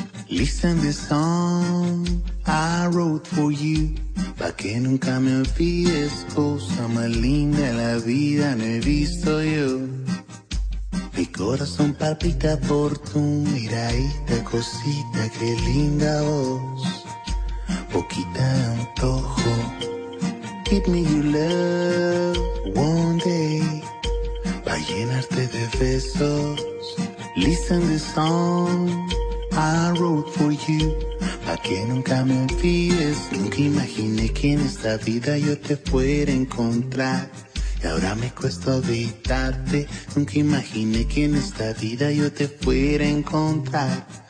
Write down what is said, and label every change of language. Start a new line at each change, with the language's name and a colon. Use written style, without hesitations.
English: Listen to the song I wrote for you.
Spanish: Pa' que nunca me olvides, cosa más linda en la vida no he visto yo. Mi corazón palpita por tu miradita, cosita, qué linda voz. Poquita de antojo.
English: Give me your love one day.
Spanish: Pa' llenarte de besos.
English: Listen to the song I wrote for you.
Spanish: Pa' que nunca me olvides. Nunca imaginé que en esta vida yo te fuera a encontrar. Y ahora me cuesta evitarte. Nunca imaginé que en esta vida yo te fuera a encontrar.